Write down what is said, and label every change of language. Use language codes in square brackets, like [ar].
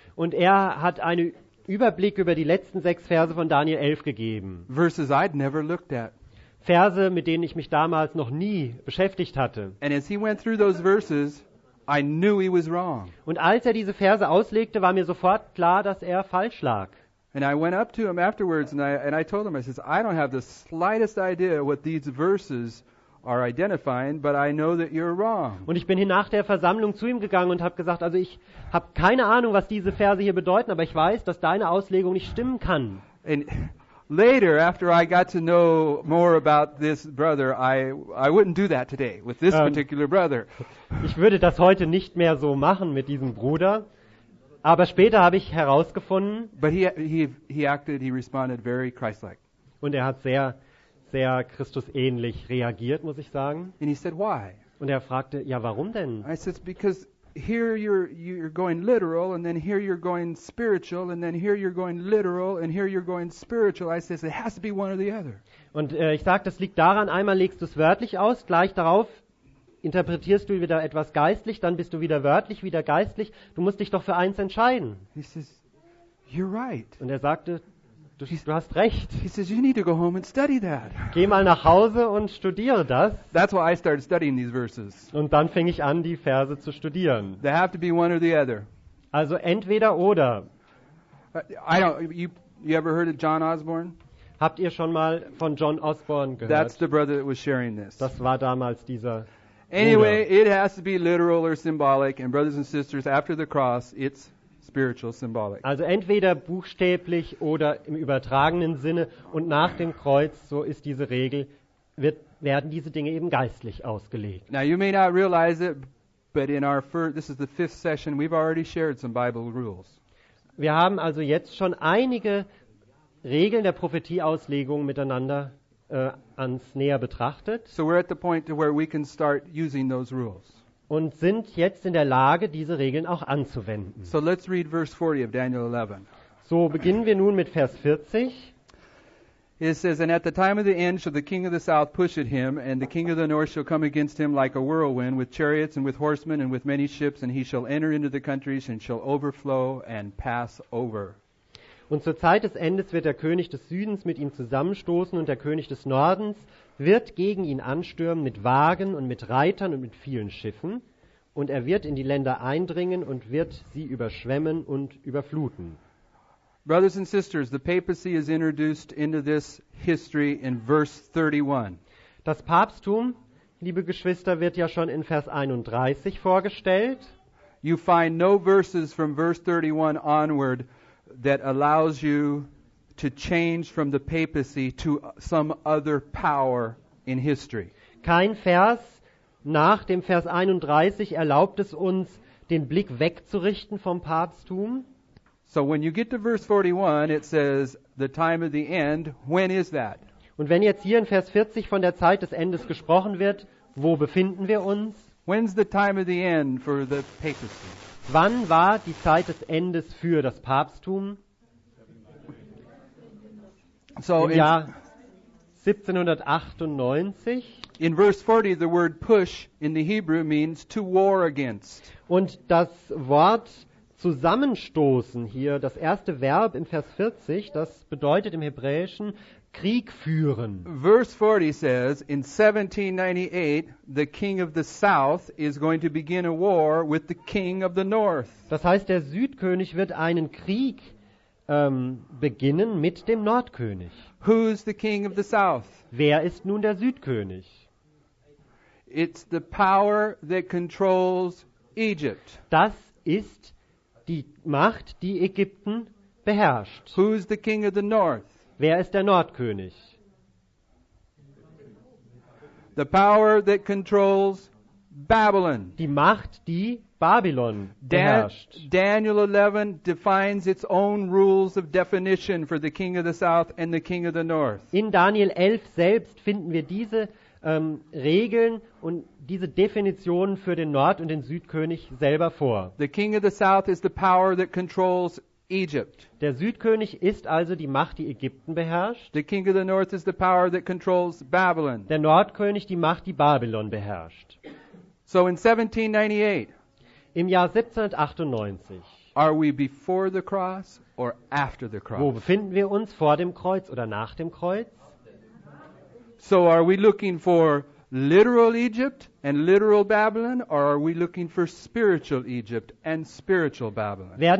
[de] Und er hat einen Überblick über die letzten sechs Verse von Daniel 11 gegeben. [en] Verses I'd never looked at. [de] Verse, mit denen ich mich damals noch nie beschäftigt hatte. [en] And as he went through those verses, I knew he was wrong. [de] Und als er diese Verse auslegte, war mir sofort klar, dass er falsch lag. [en] And I went up to him afterwards and I told him, I says, I don't have the slightest idea what these verses are identifying, but I know that you're wrong. [de] Und ich bin hier nach der Versammlung zu ihm gegangen und habe gesagt, also ich habe keine Ahnung, was diese Verse hier bedeuten, aber ich weiß, dass deine Auslegung nicht stimmen kann. [en] And later, after I got to know more about this brother, I wouldn't do that today with this particular brother. [de] Ich würde das heute nicht mehr so machen mit diesem Bruder. Aber später habe ich herausgefunden. [en] But he acted, he responded very Christ-like. [de] Und er hat sehr, sehr Christus-ähnlich reagiert, muss ich sagen. [en] And he said, why? [de] Und er fragte, ja, warum denn? [en] I said, because here you're going literal and then here you're going spiritual and then here you're going literal and here you're going spiritual. I says it has to be one or the other. [de] Und ich sag, das liegt daran, einmal legst du es wörtlich aus, gleich darauf interpretierst du wieder etwas geistlich, dann bist du wieder wörtlich, wieder geistlich. Du musst dich doch für eins entscheiden. [en] He says, you're right. [de] Und er sagte, du hast recht. [en] He says, you need to go home and study that. [de] Geh mal nach Hause und studiere das. [en] That's why I started studying these verses. [de] Und dann fing ich an, die Verse zu studieren. [en] They have to be one or the other. [de] Also entweder oder. [en] You ever heard of John Osborne? [de] Habt ihr schon mal von John Osborne gehört? [en] That's the brother that was sharing this. [de] Das war damals dieser Bruder. [en] Anyway, it has to be literal or symbolic. And brothers and sisters, after the cross, it's spiritual, symbolic. [de] Also entweder buchstäblich oder im übertragenen Sinne und nach dem Kreuz, so ist diese Regel, werden diese Dinge eben geistlich ausgelegt. [en] Now you may not realize it, but in our this is the fifth session, we've already shared some Bible rules. [de] Wir haben also jetzt schon einige Regeln der Prophetieauslegung miteinander ans näher betrachtet. [en] So we're at the point to where we can start using those rules. [de] Und sind jetzt in der Lage, diese Regeln auch anzuwenden. [en] So let's read verse 40 of Daniel 11. [de] So beginnen wir nun mit Vers 40. [en] It says, and at the time of the end shall the king of the south push at him, and the king of the north shall come against him like a whirlwind, with chariots and with horsemen and with many ships, and he shall enter into the countries and shall overflow and pass over. [de] Und zur Zeit des Endes wird der König des Südens mit ihm zusammenstoßen und der König des Nordens wird gegen ihn anstürmen mit Wagen und mit Reitern und mit vielen Schiffen. Und er wird in die Länder eindringen und wird sie überschwemmen und überfluten. [en] Brothers and sisters, the papacy is introduced into this history in verse 31. [de] Das Papsttum, liebe Geschwister, wird ja schon in Vers 31 vorgestellt. [en] You find no verses from verse 31 onward that allows you to change from the papacy to some other power in history. [de] Kein Vers nach dem Vers 31 erlaubt es uns, den Blick wegzurichten vom Papsttum. [en] So when you get to verse 41, it says the time of the end. When is that? [de] Und wenn jetzt hier in Vers 40 von der Zeit des Endes gesprochen wird, wo befinden wir uns? [en] When's the time of the end for the papacy? [de] Wann war die Zeit des Endes für das Papsttum? [en] So [de] im Jahr 1798. [en] In verse 40, the word push in the Hebrew means to war against. [de] Und das Wort zusammenstoßen hier, das erste Verb im Vers 40, das bedeutet im Hebräischen Krieg führen. [en] Verse 40 says, in 1798, the king of the south is going to begin a war with the king of the north. [de] Das heißt, der Südkönig wird einen Krieg beginnen mit dem Nordkönig. [en] Who's the king of the south? [de] Wer ist nun der Südkönig? [en] It's the power that controls Egypt. [de] Das ist die Macht, die Ägypten beherrscht. [en] Who's the king of the north? [de] Wer ist der Nordkönig? [en] The power that controls Babylon. [de] Die Macht, die Babylon beherrscht. [en] Daniel 11 defines its own rules of definition for the king of the south and the king of the north. [de] In Daniel 11 selbst finden wir diese Regeln und diese Definitionen für den Nord- und den Südkönig selber vor. [en] The king of the south is the power that controls Egypt. [de] Der Südkönig ist also die Macht, die Ägypten beherrscht. [en] The king of the north is the power that controls Babylon. [de] Der Nordkönig die Macht, die Babylon beherrscht. [en] So in 1798. [de] Im Jahr 1798. [en] Are we before the cross or after the cross? [de] Wo befinden wir uns, vor dem Kreuz oder nach dem Kreuz? [en] So are we looking for literal Egypt and literal Babylon, or are we looking for spiritual Egypt and spiritual Babylon?